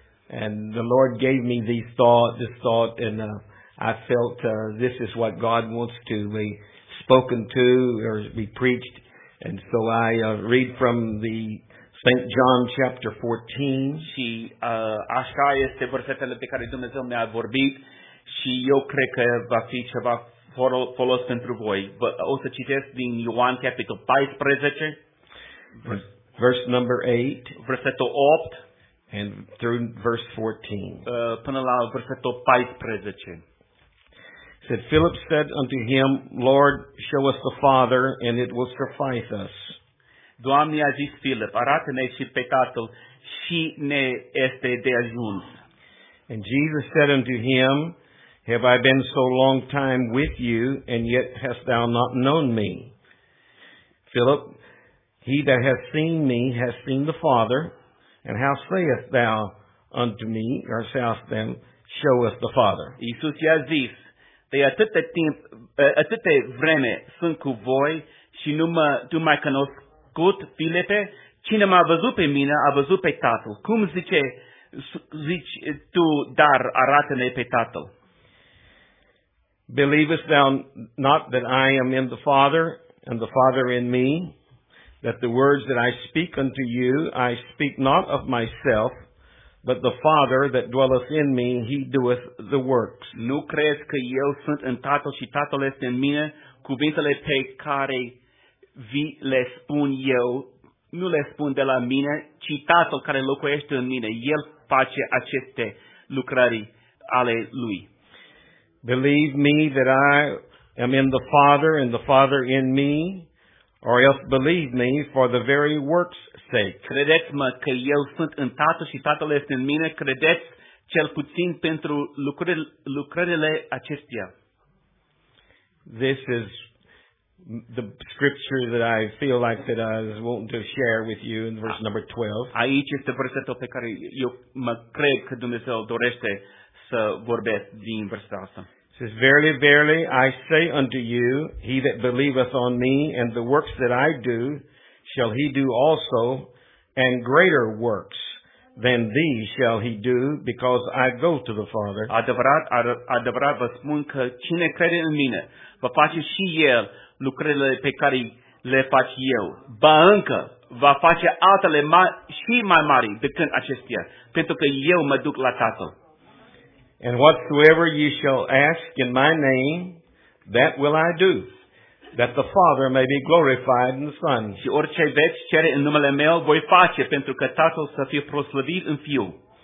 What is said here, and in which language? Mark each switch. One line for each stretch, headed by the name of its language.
English: And the Lord gave me this thought, and I felt this is what God wants to be spoken to or be preached. And so I read from the St. John chapter 14.
Romanian: Și așa este versetele pe care Dumnezeu mi-a vorbit și eu cred că va fi ceva folos pentru voi. O să citesc din Ioan capitol 14.
English: Verse number 8.
Romanian: Versetul 8.
English: And through verse 14.
Romanian: Până la versetul 14.
English: Said, Philip said unto him, Lord, show us the Father, and it will suffice us.
Romanian: Doamne, a zis Filip, arată-ne și pe Tatăl și ne este de ajuns.
English: And Jesus said unto him, Have I been so long time with you, and yet hast thou not known me? Philip, he that hath seen me hath seen the Father. And how sayest thou unto me, or sayest them, Show us the Father?
Romanian: Iisus i-a zis, De atâta vreme sunt cu voi și nu mai cunosc. Cut, Filipe, cine m-a văzut pe mine, a văzut pe Tatăl. Cum zici tu, dar arată-ne pe Tatăl?
English: Believest thou not that I am in the Father, and the Father in me, that the words that I speak unto you, I speak not of myself, but the Father that dwelleth in me, he doeth the works.
Romanian: Nu crezi că eu sunt în Tatăl și Tatăl este în mine, cuvintele pe care vi le spun eu, nu le spun de la mine, ci Tatăl care locuiește în mine, El face aceste lucrări ale Lui.
English: Believe me that I am in the Father and the Father in me, or else believe me for the very works' sake.
Romanian: Credeți-mă că eu sunt în Tatăl și Tatăl este în mine, credeți cel puțin pentru lucrările acestea.
English: This is the scripture that I feel like that I was wanting to share with you in verse number 12.
Romanian: Aici este versetul pe care eu mă cred că Dumnezeu dorește să vorbesc din versetul ăsta.
English: It says, Verily, verily, I say unto you, he that believeth on me and the works that I do shall he do also, and greater works than these shall he do, because I go to the Father.
Romanian: Adevărat vă spun că cine crede în mine, va face și el lucrările pe care le fac eu. Ba încă, va face altele mari, și mai mari decât acestea, pentru că eu mă duc la Tatăl.
English: And whatsoever ye shall ask in my name, that will I do, that the Father may be glorified in the Son.
Romanian: Și orice veți cere în numele meu, voi face, pentru că Tatăl să fie proslăvit în Fiul.